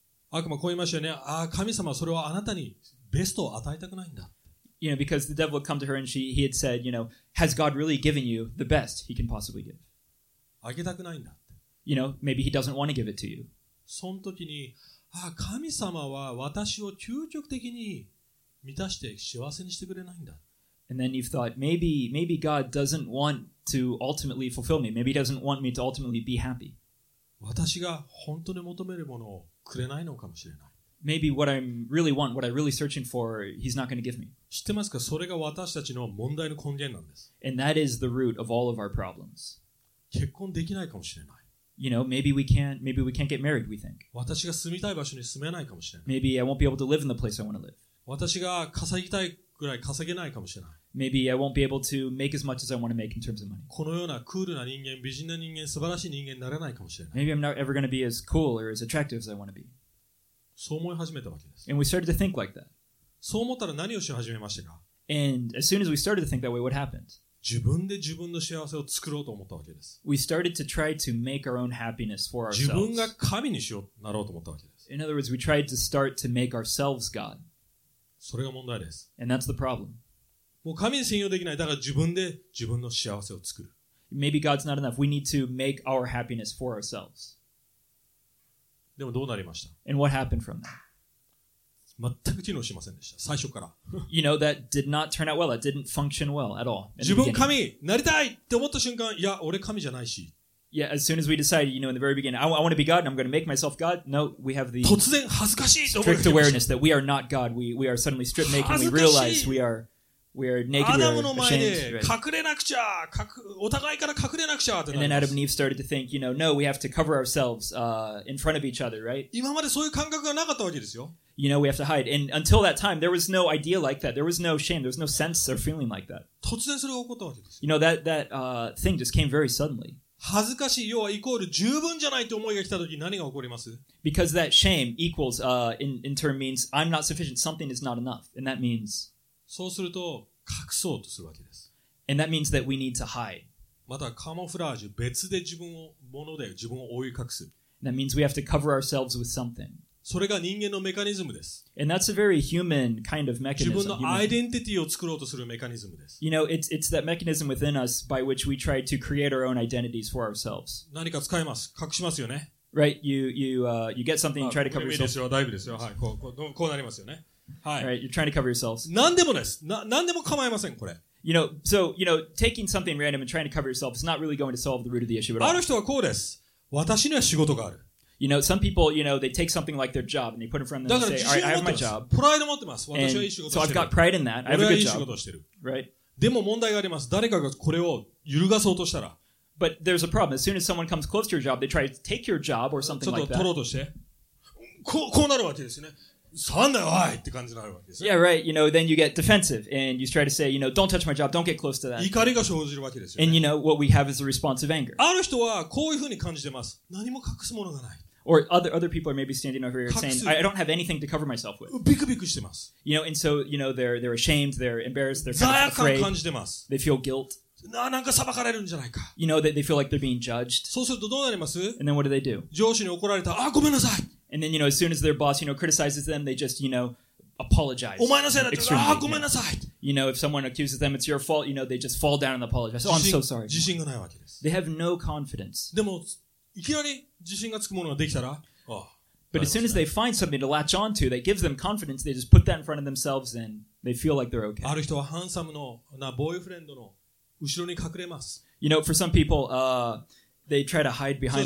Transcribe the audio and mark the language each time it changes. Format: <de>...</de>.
<ja>悪魔こう言いましたよね。ああ、神様、それはあなたにベストを与えたくないんだ。</ja> <en>You know, because the devil had come to her and he had said, you know, has God really given you the best he can possibly give?</en> <ja>あげたくないんだって。</ja> <en>You know, maybe he doesn't want to give it to you.</en> <ja>その時に、ああ、神様は私を究極的に満たして幸せにしてくれないんだ。</ja> <en>And then you've thought, maybe God doesn't want to ultimately fulfill me. Maybe he doesn't want me to ultimately be happy.</en> <ja>私が本当に求めるものをくれないのかもしれない。</ja> <en>Maybe what I really want, what I'm really searching for, he's not going to give me.</en> <ja>知ってますか？それが私たちの問題の根源なんです。</ja> <en>And that is the root of all of our problems.</en> <ja>結婚できないかもしれない。</ja> <en>You know, maybe we can't get married, we think.</en> <ja>私が住みたい場所に住めないかもしれない。</ja> <en>Maybe I won't be able to live in the place I want to live.</en> <ja>私が稼ぎたいぐらい稼げないかもしれない。</ja> <en>Maybe I won't be able to make as much as I want to make in terms of money.</en> <ja>このようなクールな人間、美人な人間、素晴らしい人間になれないかもしれない。</ja> <en>Maybe I'm not ever going to be as cool or as attractive as I want to be.</en> <ja>そう思い始めたわけです。</ja> <en>And we started to think like that.</en> <ja>そう思ったら何をし始めましたか？</ja> <en>And as soon as we started to think that way, what happened?</en> <ja>自分で自分の幸せを作ろうと思ったわけです。</ja> <en>We started to try to make our own happiness for ourselves.</en> <ja>自分が神にしようなろうと思ったわけです。</ja> <en>In other words, we tried to start to make ourselves God.</en> <ja>それが問題です。</ja> <en>And that's the problem.</en> <ja>もう神に信用できない。だから自分で自分の幸せを作る。</ja> <en>Maybe God's not enough. We need to make our happiness for ourselves.</en> <ja>でもどうなりました？</ja> <en>And what happened from that?</en> <ja>全く機能しませんでした。最初から。</ja> <en>You know, that did not turn out well. It didn't function well at all.</en> <ja>自分神なりたいって思った瞬間、いや、俺神じゃないし。</ja> <en>Yeah, as soon as we decided, you know, in the very beginning, I want to be God and I'm going to make myself God. No, we have the</en> <ja>突然恥ずかしいと思った。</ja> <en>Strict awareness that we are not God. We are suddenly stripped naked. We realize we are naked,</en> <ja>アダムの前で隠れなくちゃ、お互いから隠れなくちゃってなります。</ja> <en>And then Adam and Eve started to think, you know, no, we have to cover ourselves, in front of each other, right?</en> <ja>今までそういう感覚がなかったわけですよ。</ja> <en>You know, we have to hide. And until that time, there was no idea like that. There was no shame. There was no sense or feeling like that.</en> <ja>突然それが起こったわけです。</ja> <en>You know, that thing just came very suddenly.</en> <ja>恥ずかしい、要はイコール十分じゃないって思いが来た時に何が起こります？</ja> <en>Because that shame equals, in turn means, I'm not sufficient. Something is not enough. And that means...</en> <ja>そうすると隠そうとするわけです。</ja> <en>And that means that we need to hide.</en> <ja>またカモフラージュ、別で自分を、もので自分を覆い隠す。</ja> <en>That means we have to cover ourselves with something.</en> <ja>それが人間のメカニズムです。</ja> <en>And that's a very human kind of mechanism.</en> <ja>自分のアイデンティティを作ろうとするメカニズムです。</ja> <en>You know, it's that mechanism within us by which we try to create our own identities for ourselves.</en> <ja>何か使います。隠しますよね。</ja> <en>Right, you get something and try to cover yourself.</en> <ja>いいですよ、大丈夫ですよ。はい、こうなりますよね。はい、</ja> <en>right, you're trying to cover yourselves.</en> <ja>何でもです。何でも構いません、これ。</ja> <en>You know, so, you know, taking something random and trying to cover yourself is not really going to solve the root of the issue at all.</en> <ja>ある人はこうです。私には仕事がある。</ja> <en>You know, some people, you know, they take something like their job and they put it in front of them and say, alright, I have my job.</en> <ja>プライド持ってます。私はいい仕事をしてる。</ja> <en>So I've got pride in that. I have a good job.</en> <ja>俺はいい仕事をしてる。</ja> <en>Right?</en> <ja>でも問題があります。誰かがこれを揺るがそうとしたら。</ja> <en>But there's a problem. As soon as someone comes close to your job, they try to take your job or something like that.</en> <ja>ちょっと取ろうとして。こうなるわけですね。そんなわいって感じになるわけです。</ja> <en>Yeah, right. You know, then you get defensive and you try to say, you know, don't touch my job, don't get close to that.</en> <ja>怒りが生じるわけですよ、ね。</ja> <en>And you know, what we have is a response of anger.</en> <ja>ある人はこういうふうに感じてます。何も隠すものがない。</ja> <en>Or other people are maybe standing over here saying, I don't have anything to cover myself with.</en> <ja>ビクビクしてます。</ja> <en>You know, and so, you know, they're ashamed, they're embarrassed, they're kind of afraid.</en> <ja>罪悪感感じてます。</ja> <en>They feel guilt.</en> <ja>なんか裁かれるんじゃないか。</ja> <en>You know, they feel like they're being judged.</en> <ja>そうするとどうなります？</ja> <en>And then what do they do?</en> <ja>上司に怒られた。あ、ごめんなさい。</ja> <en>And then, you know, as soon as their boss, you know, criticizes them, they just, you know, apologize.</en> <ja>お前のせいだって、ああ、ごめんなさい。</ja> <en>You know, if someone accuses them, it's your fault, you know, they just fall down and apologize. Oh, I'm so sorry.</en> <ja>自信がないわけです。</ja> <en>They have no confidence.</en> <ja>でも、いきなり自信がつくものができたら、</ja> <en>But as soon as they find something to latch onto that gives them confidence, they just put that in front of themselves and they feel like they're okay.</en> <ja>ある人はハンサムのなボーイフレンドの後ろに隠れます。</ja> <en>You know, for some people, they try to hide behind、</en>